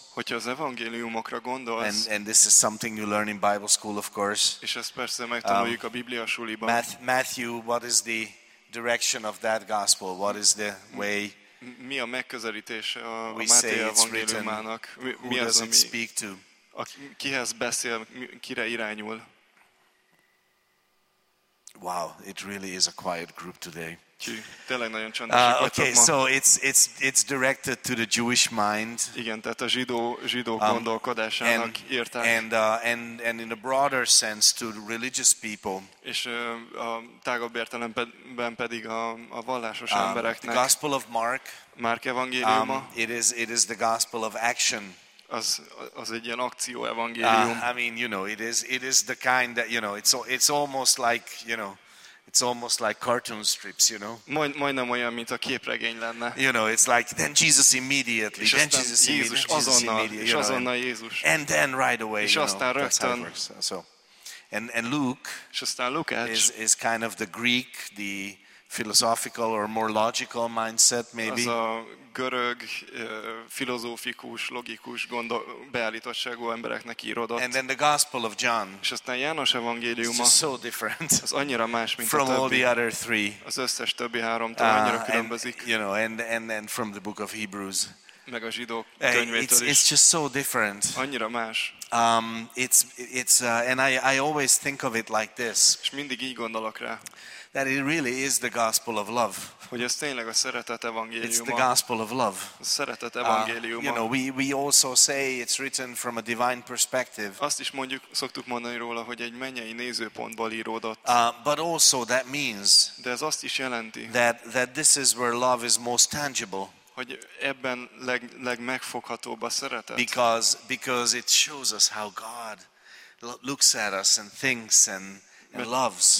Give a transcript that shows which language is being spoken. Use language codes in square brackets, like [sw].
[hu] Hogyha az evangéliumokra gondolsz. [en] And this is something you learn in Bible school, of course. [hu] És ezt persze megtanuljuk a Biblia suliban. [en] Matthew, what is the direction of that gospel? What is the way? [hu] Mi a megközelítése a Máté evangéliumának? [en] Who does it speak to? [hu] Kihez beszél, kire irányul? [en] Wow, it really is a quiet group today. Okay, so it's directed to the Jewish mind. [hu] Igen, tehát a zsidó gondolkodásának értelme. [en] And in a broader sense to religious people. [hu] És a tágabb értelemben pedig a vallásos embereknek. [en] The Gospel of Mark. [hu] Márk evangéliuma. [en] It is the gospel of action. [hu] Az egy ilyen akció evangélium. [en] I mean, you know, it is the kind that, you know, it's almost like, you know, it's almost like cartoon strips, you know. [hu] Majdnem olyan, mint a képregény lenne. [en] You know, it's like then Jesus immediately, [hu] és [en] then Jesus [hu] Jézus [en] immediately, [hu] azonnal, [en] Jesus immediately, [hu] és azonnal Jézus. [en] And then right away, [hu] és [en] you [hu] aztán [en] know, [hu] rögtön. [en] That's how it works. So, and Luke, [hu] és aztán Lukács, [en] is kind of the Greek, the philosophical or more logical mindset, maybe. [hu] Az a görög, filozófikus, logikus beállítottságú embereknek írodott. [en] And then the Gospel of John. [hu] És aztán János evangéliuma. [en] It's so different. [hu] Az annyira más, mint [en] from [hu] a többi. [en] All the other three. [hu] Az összes többi háromtól annyira különbözik. [en] And, you know, and from the book of Hebrews. [hu] Meg a zsidók könyvétől [en] is. It's just so different. [hu] Annyira más. [en] And I always think of it like this. [hu] És mindig így gondolok rá. [en] That it really is the gospel of love. [hu] Hogy ez tényleg a szeretet evangéliuma. [en] It's the gospel of love. [hu] A szeretet evangéliuma. [en] You know, we also say it's written from a divine perspective. [hu] Azt is mondjuk, szoktuk mondani róla, hogy egy mennyei nézőpontból íródott. [en] But also that means. [hu] De ez azt is jelenti. [en] That this is where love is most tangible. [hu] Hogy ebben legmegfoghatóbb a szeretet. [en] Because it shows us how God looks at us and thinks and loves.